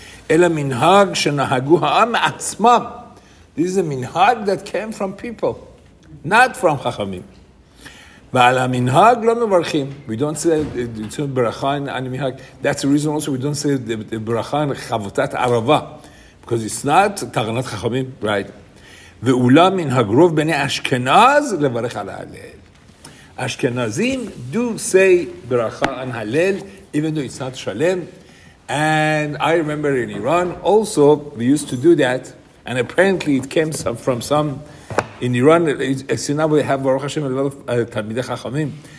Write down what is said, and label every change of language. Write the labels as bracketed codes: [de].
[he] Ela minhag shenahagu ha'am atzmam. [en] This is a minhag that came from people, not from chachamim. [he] ועל המנהג לא מברכים. [en] We don't say [he] ברכה על המנהג. [en] That's the reason also we don't say [he] ברכה על חבטת ערבה. [en] Because it's not [he] תרנת חכמים, [en] right? [he] ואולם מנהג רוב בני אשכנז לברך על הלל. [en] אשכנזים do say [he] ברכה על הלל, [en] even though it's not שלם. And I remember in Iran also, we used to do that. And apparently it came from some... In Iran, now we have Baruch Hashem, a lot of Talmidei Chachamim.